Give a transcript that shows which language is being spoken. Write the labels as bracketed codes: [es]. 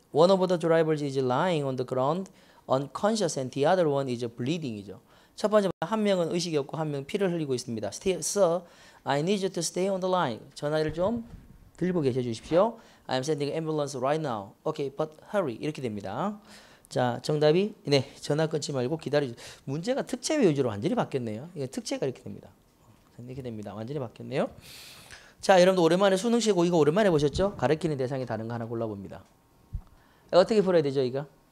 [en] One of the drivers is lying on the ground, unconscious, and the other one is bleeding이죠. [ko] 첫 번째 한 명은 의식이 없고 한 명은 피를 흘리고 있습니다. [en] Sir, I need you to stay on the line. [ko] 전화를 좀 들고 계셔 주십시오. [en] I'm sending ambulance right now. Okay, but hurry. [ko] 이렇게 됩니다. 자, 정답이 네 전화 끊지 말고 기다려 주세요. 문제가 특채 위주로 완전히 바뀌었네요. 이게 특채가 이렇게 됩니다. 이렇게 됩니다. 완전히 바뀌었네요. 자, 여러분도 오랜만에 수능 시고 이거 오랜만에 보셨죠? 가르치는 대상이 다른 거 하나 골라봅니다. 어떻게 풀어야 되죠, 이거?